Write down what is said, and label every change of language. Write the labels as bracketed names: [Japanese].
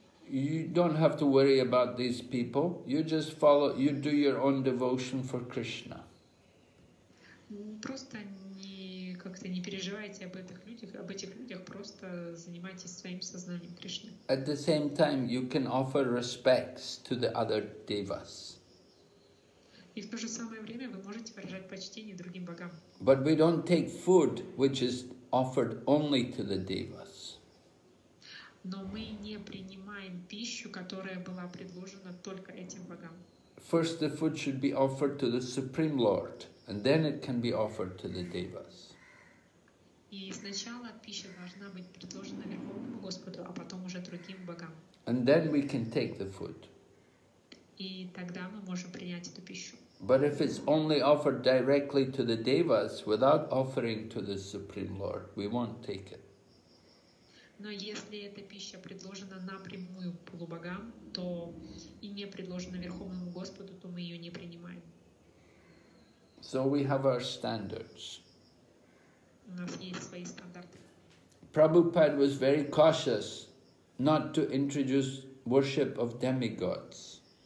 [English] You don't have to worry about these people. You just follow, you do your own devotion for Krishna. [Russian] Просто не как-то не переживайте об этих людях, просто занимайтесь своим сознанием Кришны. [English] At the same time, you can offer respects to the other devas. [Russian] И в то же самое время вы можете выражать почтение другим богам. [English] But we don't take food which is offered only to the devas. [Russian] Но мы не принимаем пищу, которая была предложена только этим богам. [English] First the food should be offered to the Supreme Lord, and then it can be offered to the devas. [Russian] И сначала пища должна быть предложена Верховному Господу, а потом уже другим богам. [English] And then we can take the food. [Russian] И тогда мы можем принять эту пищу. [English] But if it's only offered directly to the devas without offering to the Supreme Lord, we won't take it. [Russian] Но если эта пища предложена напрямую полубогам, то и не предложена Верховному Господу, то мы ее не принимаем. [English] So we have our standards. [Russian] У нас есть свои стандарты. [English] Prabhupada was very cautious not to introduce worship of demigods.